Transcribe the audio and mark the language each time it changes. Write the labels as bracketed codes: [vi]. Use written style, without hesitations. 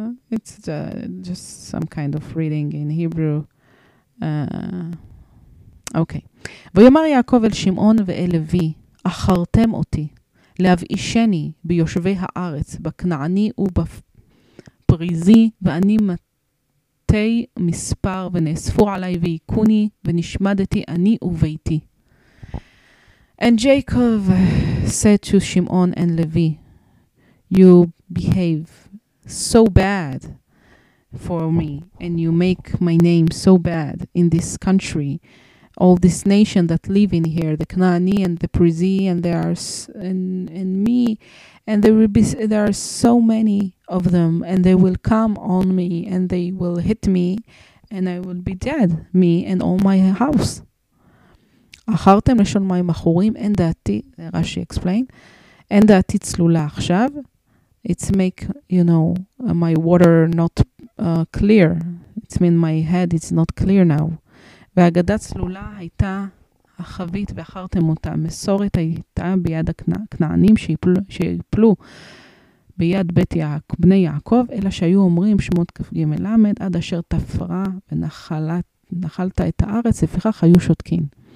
[en] It's just some kind of reading in Hebrew. Okay. [he] ויאמר יעקב אל שמעון ואל לוי, אחרתם אותי להבאישני ביושבי הארץ, בכנעני ובפריזי, ואני מתי מספר, ונאספו עליי ויקוני, ונשמדתי אני וביתי. [en] And Jacob said to Shimon and Levi, you behave so bad for me, and you make my name so bad in this country, all this nation that live in here, the Kanani and the Prizi, and there are and me, and there are so many of them, and they will come on me and they will hit me, and I will be dead, me and all my house. [he] אחרתם לשון מים אחורים, אין דעתי, רשי [en] explain, [he] אין דעתי צלולה עכשיו. [en] It's make, you know, my water not clear. It's mean my head is not clear now. [he] והגדה צלולה הייתה החבית ואחרתם אותה. מסורת הייתה ביד הכנענים שיפלו ביד בית בני יעקב, אלא שהיו אומרים שמות כף ג' למד, עד אשר תפרה ונחלת את הארץ, לפיכך היו שותקים.